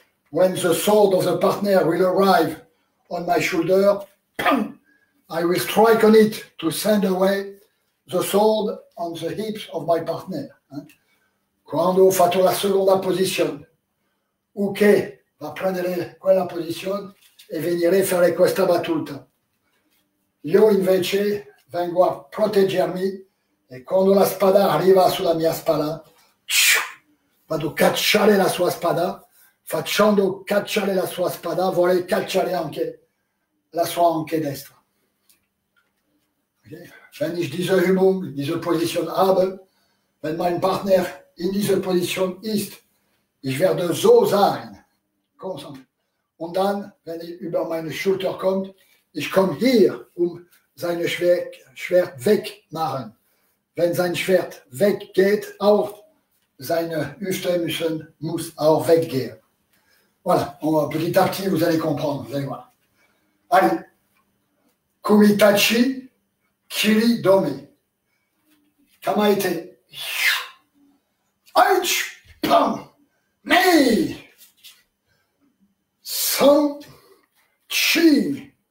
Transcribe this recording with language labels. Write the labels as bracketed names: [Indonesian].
[English] When the sword of the partner will arrive on my shoulder, bam, I will strike on it to send away the sword on the hips of my partner. Hein. [Italian] Quando ho fatto la seconda posizione, ok, va a prendere quella posizione e venire a fare questa battuta. Io invece vengo a proteggermi e quando la spada arriva sulla mia spalla, vado a cacciare la sua spada, facendo cacciare la sua spada, vorrei cacciare anche la sua anche destra. [German] Wenn ich diese Übung, diese Position habe, wenn mein Partner in dieser Position ist, ich werde so sein, konzentriert. Und dann, wenn er über meine Schulter kommt, ich komme hier, um sein Schwert wegmachen. Wenn sein Schwert weggeht, auch seine Hüfte muss auch weggehen. [French] Voilà, on va petit à petit, vous allez comprendre, vous allez voir. Allez, Kumitachi. Kiri Domi. Kamaite. Aïch! Pam! Mei! San! Chi!